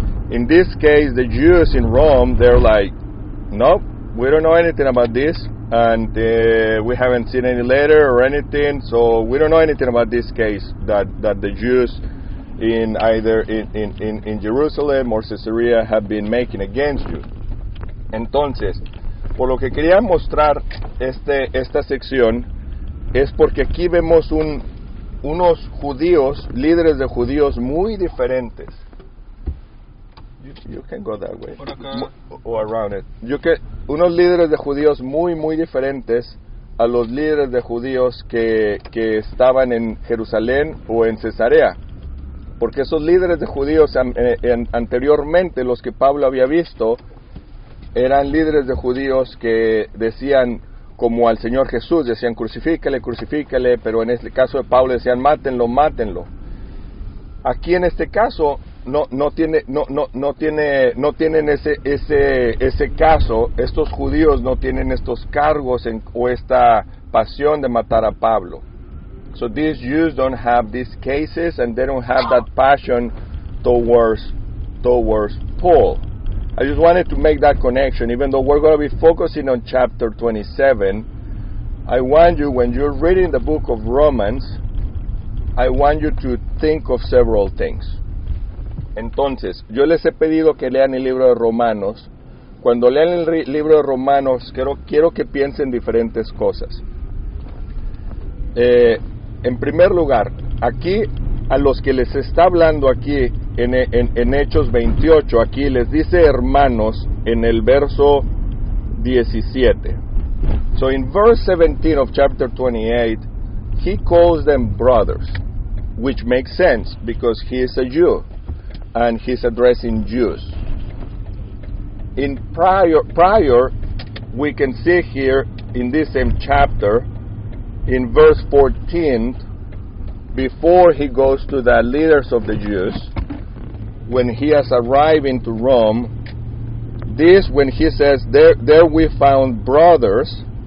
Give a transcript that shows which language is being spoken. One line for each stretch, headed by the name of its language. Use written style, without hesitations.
English: In this case, the Jews in Rome, they're like, nope, we don't know anything about this, and we haven't seen any letter or anything, so we don't know anything about this case that the Jews in either in Jerusalem or Caesarea have been making against you.
Spanish: Entonces, por lo que quería mostrar esta sección es porque aquí vemos unos judíos, líderes de judíos muy diferentes.
English: You can go that way or around it.
Spanish: Unos líderes de judíos muy muy diferentes a los líderes de judíos que estaban en Jerusalén o en Cesarea, porque esos líderes de judíos anteriormente, los que Pablo había visto, eran líderes de judíos que decían como al Señor Jesús, decían crucifícale, crucifícale, pero en este caso de Pablo decían mátenlo, mátenlo. Aquí en este caso no tienen ese caso, estos judíos no tienen estos cargos o esta pasión de matar a Pablo.
English: So these Jews don't have these cases and they don't have that passion towards Paul. I just wanted to make that connection, even though we're going to be focusing on chapter 27. I want you, when you're reading the book of Romans, I want you to think of several things.
Spanish: Entonces, yo les he pedido que lean el libro de Romanos. Cuando lean el libro de Romanos, quiero que piensen diferentes cosas. En primer lugar, aquí a los que les está hablando aquí en Hechos 28, aquí les dice hermanos en el verso 17.
English: So in verse 17 of chapter 28, he calls them brothers, which makes sense because he is a Jew. and he's addressing Jews. In prior, we can see here in this same chapter, in verse 14, before he goes to the leaders of the Jews, when he is arriving to Rome, this when he says, there we found brothers.